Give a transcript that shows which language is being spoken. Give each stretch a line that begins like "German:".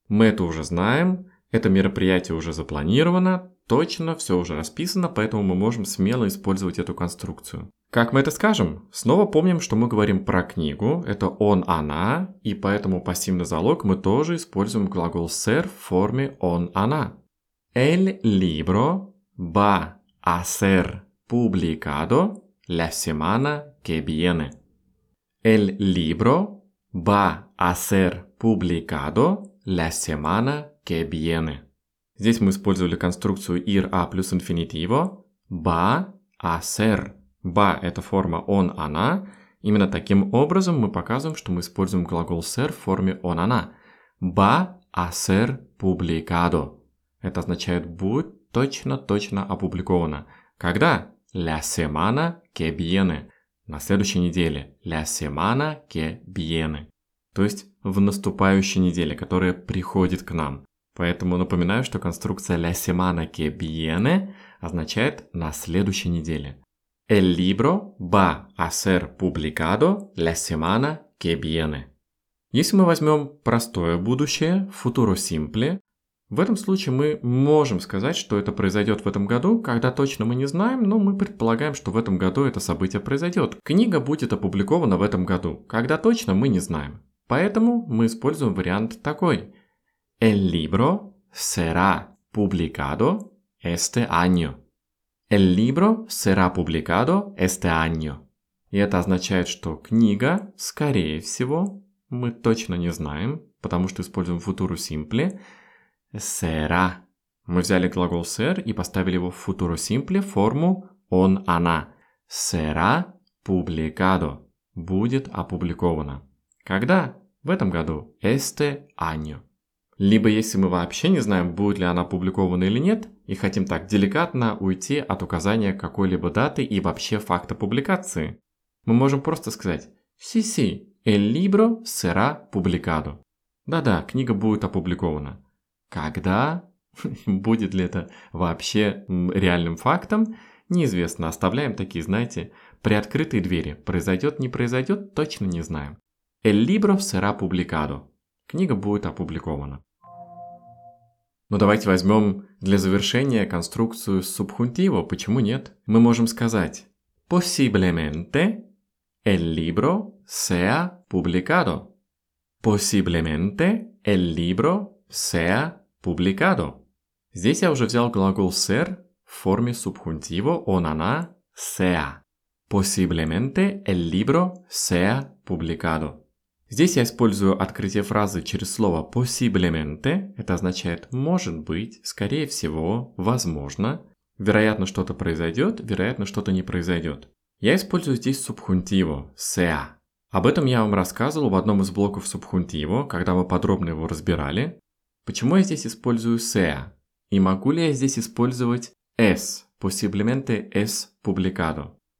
Russian: Мы это уже знаем, это мероприятие уже запланировано, точно все уже расписано, поэтому мы можем смело использовать эту конструкцию. Как мы это скажем? Снова помним, что мы говорим про книгу, это он, она, и поэтому пассивный залог мы тоже используем глагол ser в форме он, она.
Spanish: El libro va a ser publicado la semana que viene. El libro va a ser publicado la semana que viene.
Russian: Здесь мы использовали конструкцию ir a плюс infinitivo.
Spanish: Va a ser.
Russian: Va – это форма он, она. Именно таким образом мы показываем, что мы используем глагол ser в форме он, она.
Spanish: Va a ser publicado.
Russian: Это означает «будет точно-точно опубликовано». Когда?
Spanish: «La semana que viene».
Russian: На следующей неделе.
Spanish: «La semana que viene».
Russian: То есть в наступающей неделе, которая приходит к нам. Поэтому напоминаю, что конструкция
Spanish: «la semana que viene»
Russian: означает «на следующей неделе».
Spanish: «El libro va a ser publicado la semana que viene».
Russian: Если мы возьмем простое будущее, «futuro simple», в этом случае мы можем сказать, что это произойдет в этом году, когда точно мы не знаем, но мы предполагаем, что в этом году это событие произойдет. Книга будет опубликована в этом году, когда точно мы не знаем. Поэтому мы используем вариант такой.
Spanish: El libro será publicado este año. El libro será publicado este año.
Russian: И это означает, что книга, скорее всего, мы точно не знаем, потому что используем futuro simple.
Spanish: Será.
Russian: Мы взяли глагол ser и поставили его в futuro simple форму он, она. Será publicado. Будет опубликовано. Когда? В этом году.
Spanish: Este año.
Russian: Либо если мы вообще не знаем, будет ли она опубликована или нет, и хотим так деликатно уйти от указания какой-либо даты и вообще факта публикации, мы можем просто сказать
Spanish: «Sí, sí, el libro será publicado».
Russian: Да-да, книга будет опубликована. Когда? Будет ли это вообще реальным фактом? Неизвестно. Оставляем такие, знаете, приоткрытые двери. Произойдет, не произойдет, точно не знаем.
Spanish: El libro será publicado.
Russian: Книга будет опубликована. Ну давайте возьмем для завершения конструкцию субхунтиво. Почему нет? Мы можем сказать
Spanish: Posiblemente el libro sea publicado. Posiblemente el libro sea publicado.
Russian: Здесь я уже взял глагол ser в форме субхунтиво он, она, sea.
Spanish: Posiblemente el libro sea publicado.
Russian: Здесь я использую открытие фразы через слово «possiblemente». Это означает «может быть», «скорее всего», «возможно», «вероятно, что-то произойдет», «вероятно, что-то не произойдет». Я использую здесь субхунтиво «sea». Об этом я вам рассказывал в одном из блоков субхунтиво, когда мы подробно его разбирали. Почему я здесь использую «sea»? И могу ли я здесь использовать «es»?
Spanish: «Possiblemente es publicado».